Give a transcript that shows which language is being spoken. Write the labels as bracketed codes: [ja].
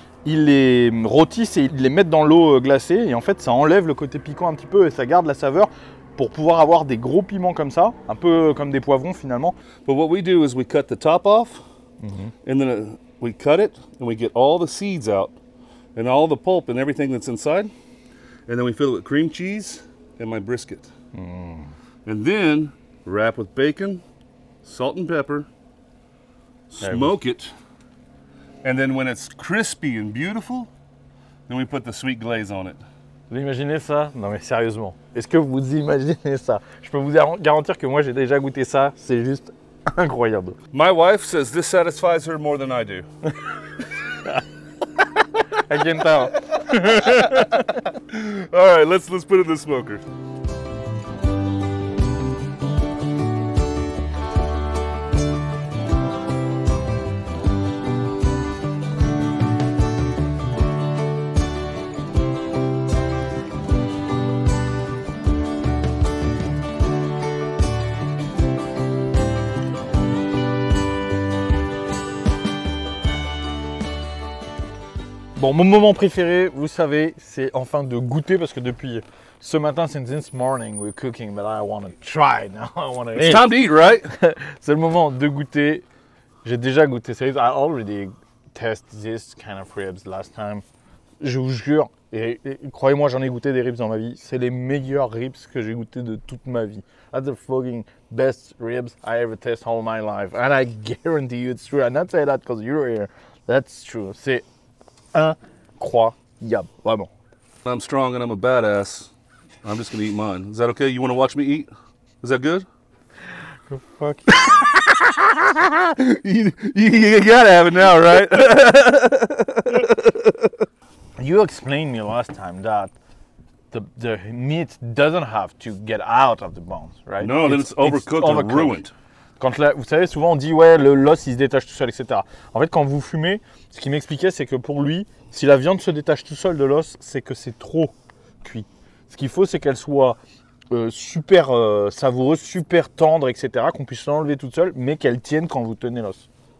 [fr] Ils les rôtissent et ils les mettent dans l'eau glacée et en fait ça enlève le côté piquant un petit peu et ça garde la saveur pour pouvoir avoir des gros piments comme ça, un peu comme des poivrons finalement. [en] But what we do is we cut the top off, and then we cut it and we get all the seeds out and all the pulp and everything that's inside, and then we fill it with cream cheese and my brisket, and then wrap with bacon, salt and pepper, smoke it. And then when it's crispy and beautiful, then we put the sweet glaze on it. [fr] Vous imaginez ça? Non mais sérieusement. Est-ce que vous imaginez ça? Je peux vous garantir que moi j'ai déjà goûté ça, c'est juste incroyable. [en] My wife says this satisfies her more than I do. I can tell. All right, let's put it in the smoker. [fr] Bon, mon moment préféré, vous savez, c'est enfin de goûter parce que depuis ce matin, [en] since this morning, we're cooking, but I want to try now. I want to eat. It's time to eat, right? [fr] C'est le moment de goûter. J'ai déjà goûté. [en] I already tested this kind of ribs last time. [fr] Je vous jure, et croyez-moi, j'en ai goûté des ribs dans ma vie. C'est les meilleurs ribs que j'ai goûté de toute ma vie. [en] That's the fucking best ribs I ever tasted all my life. And I guarantee you it's true. I'm not saying that because you're here. That's true. [fr] C'est incroyable, vraiment. [en] I'm strong and I'm a badass. I'm just gonna eat mine. Is that okay? You wanna watch me eat? Is that good? Go fuck you. You gotta have it now, right? You explained me last time that the meat doesn't have to get out of the bones, right? No, then it's overcooked and ruined. [fr] Quand la, vous savez, souvent on dit, ouais, l'os il se détache tout seul, etc. En fait, quand vous fumez, ce qu'il m'expliquait, c'est que pour lui, si la viande se détache tout seul de l'os, c'est que c'est trop cuit. Ce qu'il faut, c'est qu'elle soit super savoureuse, super tendre, etc., qu'on puisse l'enlever toute seule, mais qu'elle tienne quand vous tenez l'os.